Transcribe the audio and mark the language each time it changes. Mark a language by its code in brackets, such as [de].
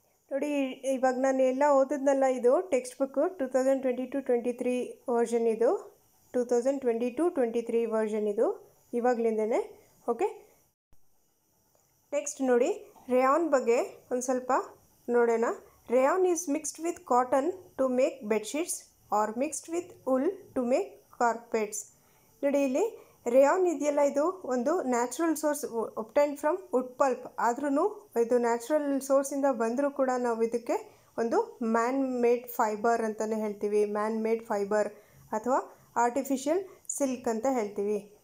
[kn] ನೋಡಿ, ಇವಾಗ ನಾನು ಎಲ್ಲ ಓದಿದ್ನಲ್ಲ, ಇದು ಟೆಕ್ಸ್ಟ್ ಬುಕ್ಕು 2022-23 ವರ್ಷನ್ ಇದು, 2022-23 ವರ್ಷನ್ ಇದು ಇವಾಗಲಿಂದೇ. ಓಕೆ, ಟೆಕ್ಸ್ಟ್ ನೋಡಿ, ರೇಯಾನ್ ಬಗ್ಗೆ ಒಂದು ಸ್ವಲ್ಪ ನೋಡೋಣ. [en] Rayon is mixed with cotton to make bedsheets or mixed with wool to make carpets. [kn] ನೋಡಿ ಇಲ್ಲಿ ರೇಯಾನ್ ಇದೆಯಲ್ಲ, ಇದು ಒಂದು [en] Natural source obtained from wood pulp. [kn] ಆದ್ರೂ ಇದು ನ್ಯಾಚುರಲ್ ಸೋರ್ಸಿಂದ ಬಂದರೂ ಕೂಡ ನಾವು ಇದಕ್ಕೆ ಒಂದು ಮ್ಯಾನ್ ಮೇಡ್ ಫೈಬರ್ ಅಂತಲೇ ಹೇಳ್ತೀವಿ, ಮ್ಯಾನ್ ಮೇಡ್ ಫೈಬರ್ ಅಥವಾ ಆರ್ಟಿಫಿಷಿಯಲ್ ಸಿಲ್ಕ್ ಅಂತ ಹೇಳ್ತೀವಿ.